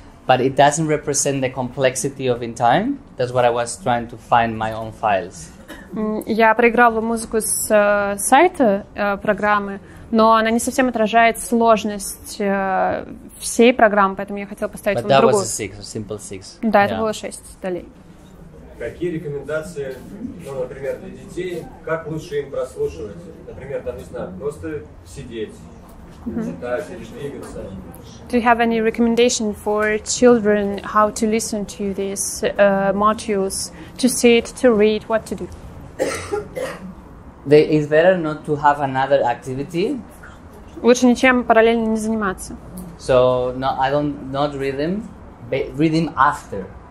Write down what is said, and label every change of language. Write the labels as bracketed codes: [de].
[en] But it doesn't represent the complexity of InTime. That's what I was trying to find my own files. [ru] Я проиграла музыку с сайта программы, но она не совсем отражает сложность всей программы, поэтому я хотела поставить вам другую. [en] But that was a six, a simple six. [ru] Да, это было 6 долей. Какие рекомендации, например, для детей, как лучше им прослушивать? Например, там, не знаю, просто сидеть. Mm-hmm. [en] Do you have any recommendation for children how to listen to these modules, to sit, to read, what to do? It's better not to have another activity. [ru] Лучше ничем параллельно не заниматься. [en] So no, I don't not read them, but read them after.